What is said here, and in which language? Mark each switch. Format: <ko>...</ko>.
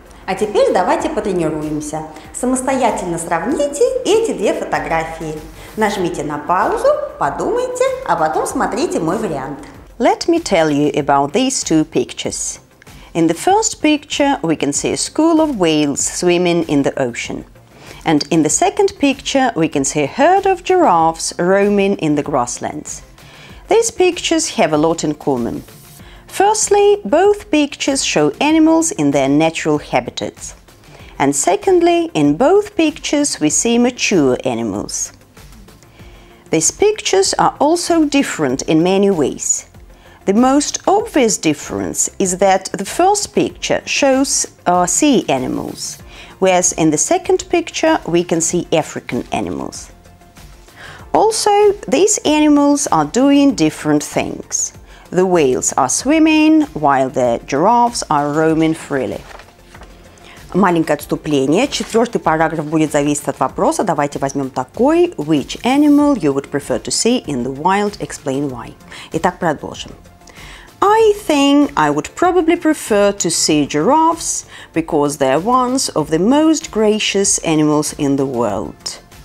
<ru>А теперь давайте потренируемся. Самостоятельно сравните эти две фотографии. Нажмите на паузу, подумайте, а потом смотрите мой вариант.</ru> <en>Let me tell you about these two pictures. In the first picture, we can see a school of whales swimming in the ocean. And in the second picture, we can see a herd of giraffes roaming in the grasslands. These pictures have a lot in common. Firstly, both pictures show animals in their natural habitats. And secondly, in both pictures we see mature animals. These pictures are also different in many ways. The most obvious difference is that the first picture shows sea animals, whereas in the second picture we can see African animals. Also, these animals are doing different things. The whales are swimming, while the giraffes are roaming freely.</en> <ru>Маленькое отступление. Четвертый параграф будет зависеть от вопроса. Давайте возьмем такой.</ru> <en>Which animal you would prefer to see in the wild? Explain why.</en> <ru>Итак, продолжим.</ru> <en>I think I would probably prefer to see giraffes, because they are one of the most gracious animals in the world.</en>